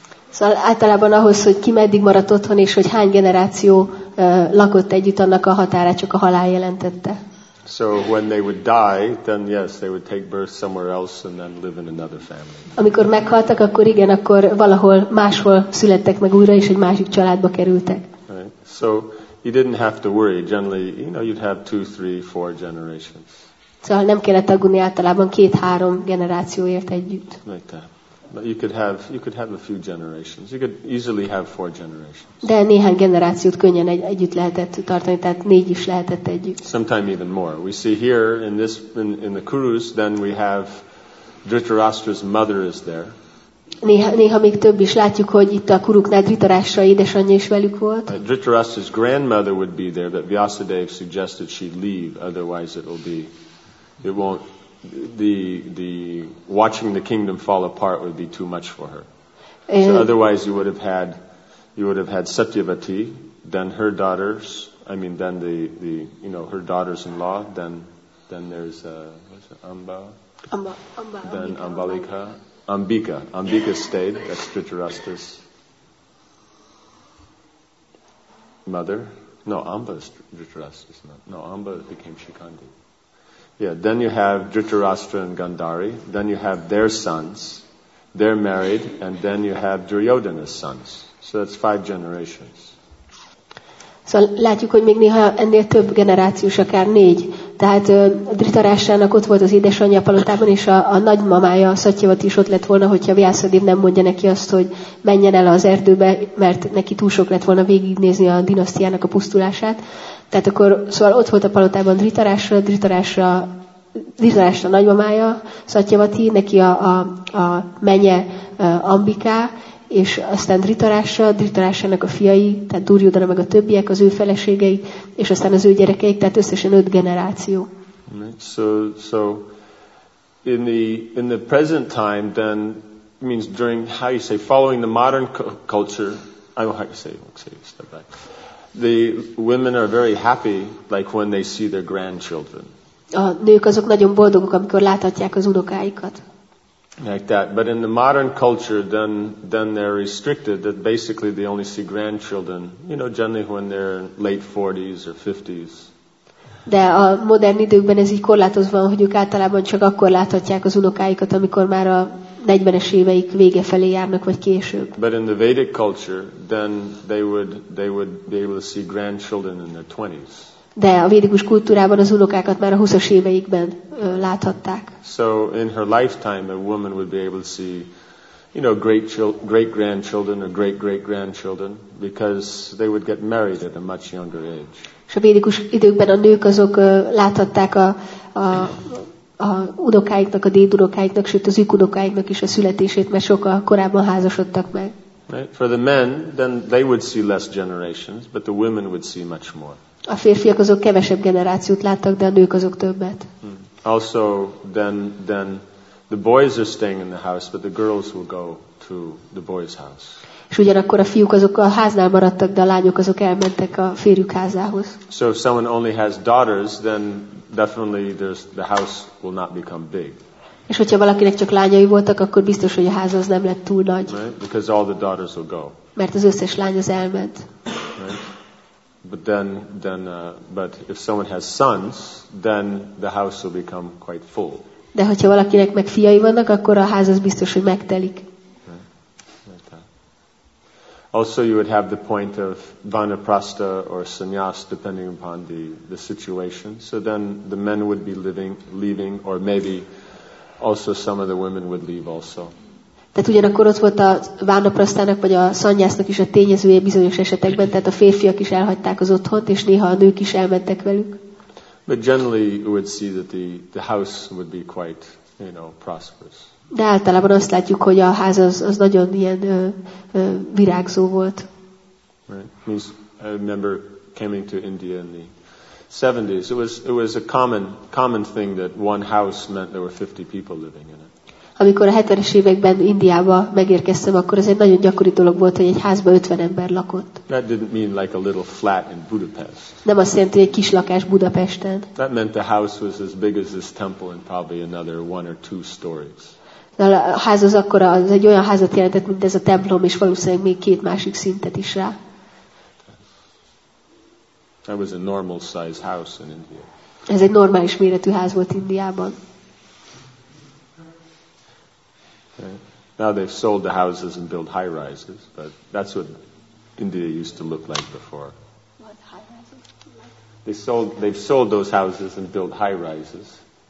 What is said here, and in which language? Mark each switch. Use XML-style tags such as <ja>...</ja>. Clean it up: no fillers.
<hu>Szóval általában ahhoz, hogy ki meddig maradt otthon, és hogy hány generáció lakott együtt, annak a határa csak a halál jelentette.</hu> <en>So when they would die, then yes, they would take birth somewhere else and then live in another family.</en> <hu>Amikor meghaltak, akkor igen, akkor valahol máshol születtek meg újra, és egy másik családba kerültek.</hu> <en>Right. So you didn't have to worry. Generally, you know, you'd have 2, 3, 4 generations.</en> <hu>Szóval nem kellett aggódni általában 2-3 generációért együtt.</hu> <en>Like that. But you could have a few generations. You could easily have 4 generations.</en> <hu>De néhány generációt könnyen együtt lehetett tartani, tehát 4 is lehetett együtt.</hu> <en>Sometime even more. We see here in the Kurus, then we have Dhritarashtra's mother is there.</en> <hu>Néha még több is látjuk, hogy itt a Kuruknál Dhritarashtra édesanyja is velük volt.</hu> <en>Dhritarashtra's grandmother would be there, but Vyasadeva suggested she leave, otherwise it won't. The watching the kingdom fall apart would be too much for her. So otherwise you would have had Satyavati, then her daughters. I mean, then the you know, her daughters-in-law. Then there's what's it, Amba. Then Ambalika. Ambika stayed. That's Dhritarashtra's mother. No, Amba's Dhritarashtra's mother. No, Amba became Shikhandi. Yeah, then you have Dhritarashtra and Gandhari, then you have their sons, they're married, and then you have Duryodhana's sons. So that's 5 generations.</en> <hu>So látjuk, hogy még néha ennél több generációs, akár 4. Tehát Dhritarashtrának ott volt az édesanyja palotában, és a nagymamája, Szatyavati is ott lett volna, hogyha Vyászadév nem mondja neki azt, hogy menjen el az erdőbe, mert neki túl sok lett volna végignézni a dinasztiának a pusztulását. Tehát akkor, szóval ott volt a palotában Dhritarashtra nagymamája, Szatyavati, neki a menye Ambika, és aztán Dhritarashtrának a fiai, tehát Duryodhana meg a többiek, az ő feleségei, és aztán az ő gyerekeik, tehát összesen 5 generáció.</hu> <en>So in the present time, then means during, how you say, following the modern culture, I don't know how you say, let's say, step back. The women are very happy, like when they see their grandchildren.</en> <hu>A nők azok nagyon boldogok, amikor láthatják az unokáikat.</hu> <en>Like that, but in the modern culture, then they're restricted. That basically they only see grandchildren. You know, generally when they're late 40s or 50s.</en> <hu>De a modern időkben ez így korlátozva, hogy ők általában csak akkor láthatják az unokáikat, amikor már a 40-es éveik vége felé járnak, vagy később.</hu> <en>But in the Vedic culture, then they would be able to see grandchildren in their 20s.</en> <hu>De a védikus kultúrában az unokákat már a 20-as éveikben láthatták.</hu> <en>So in her lifetime, a woman would be able to see, you know, great grandchildren or great great grandchildren, because they would get married at a much younger age.</en> <hu>És a védikus időkben a nők azok láthatták a unokáiknak, a dédunokáiknak, sőt az ükunokáiknak is a születését, mert sokkal korábban házasodtak meg.</hu> <en>Right? For the men, then they would see less generations, but the women would see much more.</en> <hu>A férfiak azok kevesebb generációt láttak, de a nők azok többet.</hu> <en>Also, then the boys are staying in the house, but the girls will go to the boys' house.</en> <hu>És ugyanakkor a fiúk azok a háznál maradtak, de a lányok azok elmentek a férjük házához.</hu> <en>So if someone only has daughters, then definitely the house will not become big.</en> <hu>És hogyha valakinek csak lányai voltak, akkor biztos, hogy a ház az nem lett túl nagy.</hu> <en>Right? Because all the daughters will go.</en> <hu>Mert az összes lány az elment.</hu> <en>Right? But then, but if someone has sons, then the house will become quite full.</en> <hu>De hogyha valakinek meg fiai vannak, akkor a ház az biztos, hogy megtelik.</hu> <en>Also, you would have the point of vanaprastha or sannyas, depending upon the situation. So then the men would be leaving, or maybe also some of the women would leave also.</en> <hu>Tehát ugyanakkor ott volt a vánaprasztának vagy a szanyásznak is a tényezője bizonyos esetekben, tehát a férfiak is elhagyták az otthont, és néha a nők is elmentek velük.</hu> <en>But generally you would see that the house would be quite, you know, prosperous.</en> <hu>De általában azt látjuk, hogy a ház az nagyon ilyen virágzó volt.</hu> <en>Right. Means, I remember coming to India in the 70s. It was a common thing that one house meant there were 50 people living in it.</en> <hu>Amikor a 70-es években Indiába megérkeztem, akkor ez egy nagyon gyakori dolog volt, hogy egy házban 50 ember lakott.</hu> <en>That didn't mean like a little flat in Budapest.</en> <hu>Nem azt jelenti, hogy egy kis lakás Budapesten.</hu> <en>That meant the house was as big as this temple and probably another one or two stories.</en> <hu>De a ház az akkor az egy olyan házat jelentett, mint ez a templom, és valószínűleg még két másik szintet is rá.</hu> <en>That was a normal size house in India.</en> <hu>Ez egy normális méretű ház volt Indiában.</hu> <en>Okay. Now they've sold the houses and built high rises, but that's what India used to look like before. What high rises? They've sold those houses and built high rises.</en>